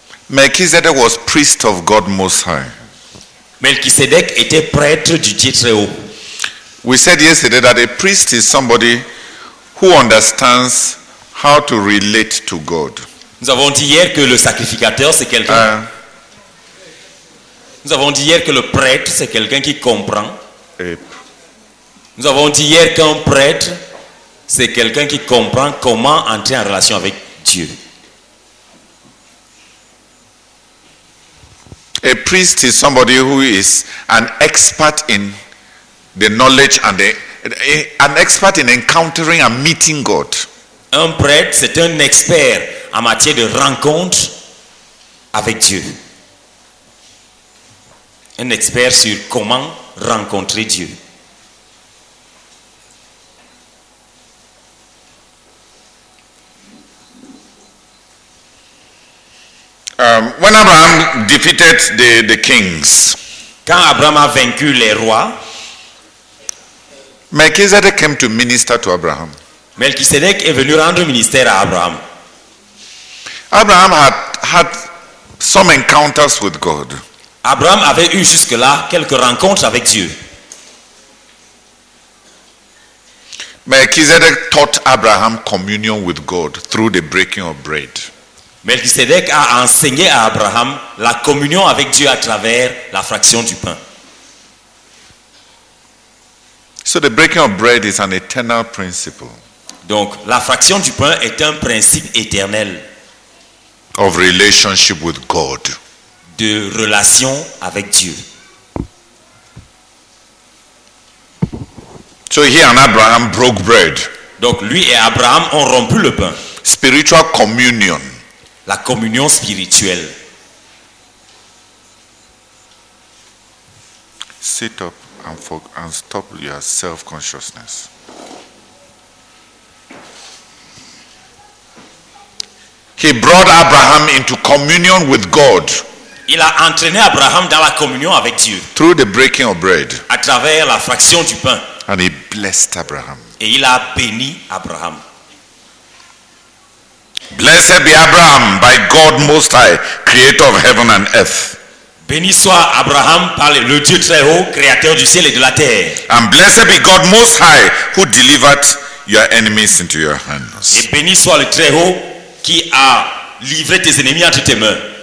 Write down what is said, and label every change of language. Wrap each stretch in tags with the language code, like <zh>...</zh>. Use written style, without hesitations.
<en>Melchizedek was priest of God Most High.</en> <fr>Melchizedek était prêtre du Dieu très haut.</fr> <en>We said yesterday that a priest is somebody who understands how to relate to God.</en> <fr>Nous avons dit hier que le sacrificateur c'est quelqu'un. Nous avons dit hier que le prêtre c'est quelqu'un qui comprend. Nous avons dit hier qu'un prêtre c'est quelqu'un qui comprend comment entrer en relation avec Dieu.</fr> <en>A priest is somebody who is an expert in the knowledge and an expert in encountering and meeting God.</en> <fr>Un prêtre c'est un expert en matière de rencontre avec Dieu. Un expert sur comment rencontrer Dieu.</fr> <en>When Abraham defeated the kings,</en> <fr>quand Abraham a vaincu les rois,</fr> <en>Melchizedek came to minister to Abraham.</en> <fr>Melchizedek est venu rendre ministère à Abraham.</fr> <en>Abraham had some encounters with God.</en> <fr>Abraham avait eu jusque-là quelques rencontres avec Dieu.</fr> <en>Melchizedek taught Abraham communion with God through the breaking of bread.</en> <fr>Melchizedek a enseigné à Abraham la communion avec Dieu à travers la fraction du pain.</fr> <en>So the breaking of bread is an eternal principle.</en> <fr>Donc la fraction du pain est un principe éternel.</fr> <en>Of relationship with God.</en> <fr>De relation avec Dieu.</fr> <en>So he and Abraham broke bread.</en> <fr>Donc lui et Abraham ont rompu le pain.</fr> <en>Spiritual communion.</en> <fr>La communion spirituelle.</fr> <en>Sit up and stop your self-consciousness. He brought Abraham into communion with God.</en> <fr>Il a entraîné Abraham dans la communion avec Dieu.</fr> <en>Through the breaking of bread.</en> <fr>À travers la fraction du pain.</fr> <en>And he blessed Abraham.</en> <fr>Et il a béni Abraham.</fr> <en>Blessed be Abraham by God Most High, Creator of heaven and earth.</en> <fr>Béni soit Abraham par le Dieu très haut, Créateur du ciel et de la terre.</fr> <en>And blessed be God Most High, who delivered your enemies into your hands.</en> <fr>Et béni soit le très haut qui a livré tes ennemis entre tes mains.</fr>